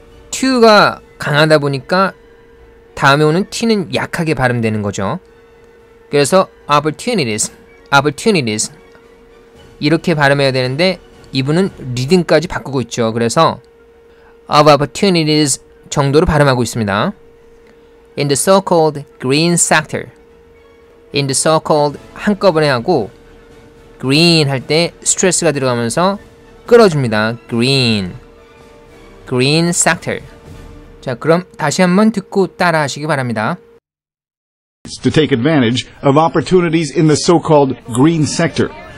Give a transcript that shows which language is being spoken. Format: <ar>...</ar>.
<ko>to가 강하다 보니까 다음에 오는 t는 약하게 발음되는 거죠. 그래서 opportunities, opportunities 이렇게 발음해야 되는데 이분은 리듬까지 바꾸고 있죠. 그래서 of opportunities 정도로 발음하고 있습니다.</ko> <en>In the so-called green sector.</en> <ko>In the so-called 한꺼번에 하고 green 할 때 스트레스가 들어가면서 끌어줍니다.</ko> <en>green. green sector.</en> <ko>자, 그럼 다시 한번 듣고 따라하시기 바랍니다.</ko> <en>It's to take advantage of opportunities in the so-called green sector.</en>